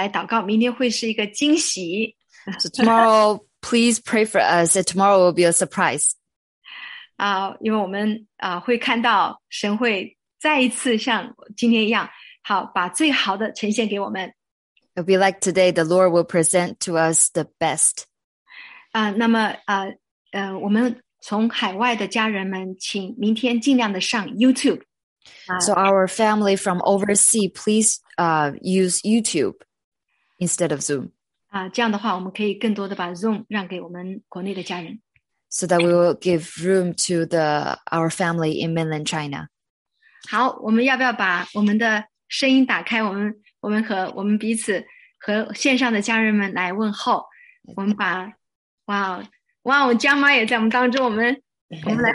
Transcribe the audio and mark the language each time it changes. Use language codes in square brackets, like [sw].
[zh] 我们就是报告一下明天的第二场的聚会非常非常的需要大家来祷告。明天会是一个惊喜。 [en] So tomorrow, please pray for us. Tomorrow will be a surprise. [zh] 因为我们会看到神会 再一次像今天一样，好，把最好的呈现给我们。 [en] It'll be like today, the Lord will present to us the best. [zh] 那么，我们从海外的家人们，请明天尽量的上 YouTube. [en] So our family from overseas, please, use YouTube instead of Zoom. [zh] 这样的话，我们可以更多的把 Zoom 让给我们国内的家人。 [en] So that we will give room to our family in mainland China. [zh] 好，我们要不要把我们的声音打开，我们和我们彼此和线上的家人们来问候。我们把哇哇，我家妈也在我们当中，我们来